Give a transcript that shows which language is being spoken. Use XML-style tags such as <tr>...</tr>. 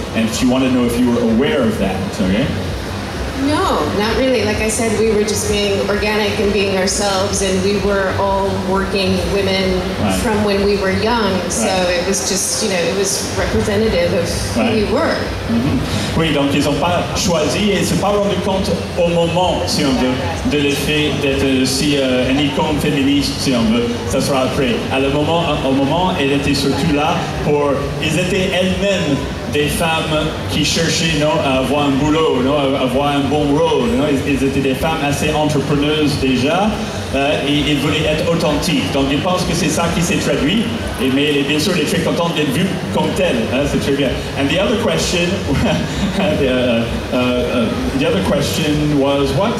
<en>And she wanted to know if you were aware of that, okay? No, not really. Like I said, we were just being organic and being ourselves, and we were all working women right. From when we were young. So right. It was just, you know, it was representative of who right. We were. Mm-hmm.</en> <fr>Oui, donc ils n'ont pas choisi et ils ne se sont pas rendu compte au moment, si on veut, de l'effet d'être si un icône féministe, si on veut. Ça sera après. À le moment, au moment, elle était surtout là pour. Ils étaient elles-mêmes. des femmes qui cherchaient non, à avoir un boulot, non, à avoir un bon rôle. Non. Ils étaient des femmes assez entrepreneuses déjà, et ils voulaient être authentiques. Donc ils pensent que c'est ça qui s'est traduit, et, mais bien sûr, ils sont très contents d'être vus comme tels. Hein, c'est très bien.</fr> <en>And the other question, the other question was what?</en>